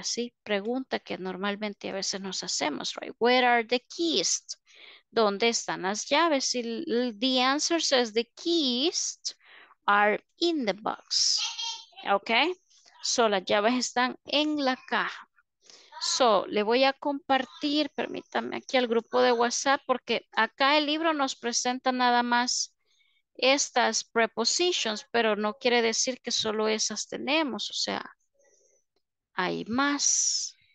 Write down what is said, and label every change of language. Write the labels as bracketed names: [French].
[Spanish] Así, pregunta que normalmente a veces nos hacemos, right? [English] Where are the keys? [Spanish] ¿Dónde están las llaves? [English] Y the answer says the keys are in the box. [Spanish] Okay? So, las llaves están en la caja. So, le voy a compartir, permítame aquí al grupo de WhatsApp, porque acá el libro nos presenta nada más estas prepositions, pero no quiere decir que solo esas tenemos, o sea, hay más.